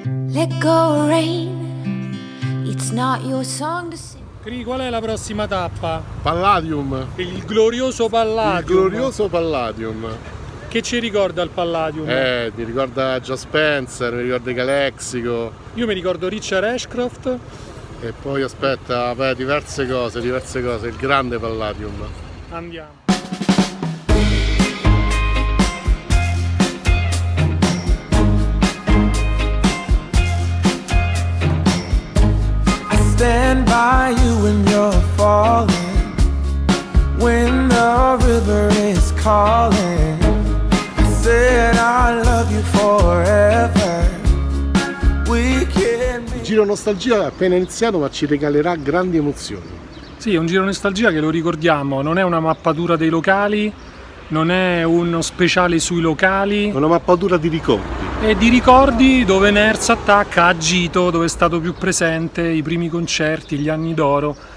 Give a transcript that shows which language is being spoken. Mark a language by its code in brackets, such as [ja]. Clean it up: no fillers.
[en] Let go rain, it's not your song to sing. [it] Cri, qual è la prossima tappa? Palladium. Il glorioso Palladium. Il glorioso Palladium. Che ci ricorda il Palladium? Mi ricorda Joe Spencer, mi ricorda i Calexico. Io mi ricordo Richard Ashcroft. E poi aspetta, beh, diverse cose, il grande Palladium. Andiamo. [en] Stand by you when you're falling, when the river is calling. I said I love you forever. We [it] giro nostalgia è appena iniziato, ma ci regalerà grandi emozioni. Sì, è un giro nostalgia che, lo ricordiamo, non è una mappatura dei locali, non è uno speciale sui locali. È una mappatura di ricordi. E di ricordi dove Nerz Attack ha agito, dove è stato più presente, i primi concerti, gli anni d'oro.